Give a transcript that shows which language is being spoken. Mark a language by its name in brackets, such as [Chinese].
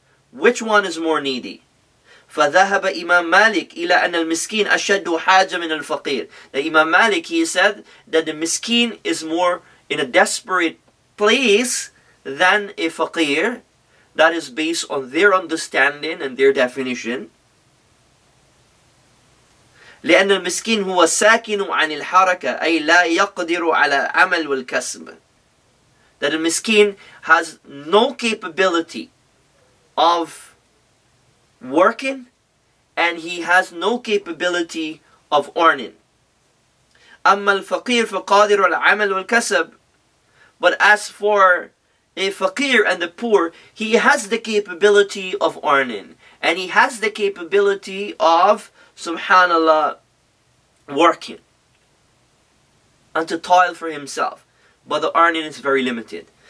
[English] Which one is more needy? [Arabic] فَذَهَبَ إِمَامَ مَالِكِ إِلَى أَنَّ الْمِسْكِينَ أَشَدُّ حَاجَ مِنَ الْفَقِيرِ. [English] The Imam Malik, he said that the miskeen is more in a desperate place than a faqir, that is based on their understanding and their definition. [Arabic] لأن المسكين هو ساكن عن الحركة أي لا يقدر على عمل والكسب. [English] That a miskin has no capability of working and he has no capability of earning. [Arabic] أما الفقير فقادر على عمل والكسب. [English] But as for a faqir and the poor, he has the capability of earning and he has the capability of, subhanallah, working and to toil for himself, but the earning is very limited.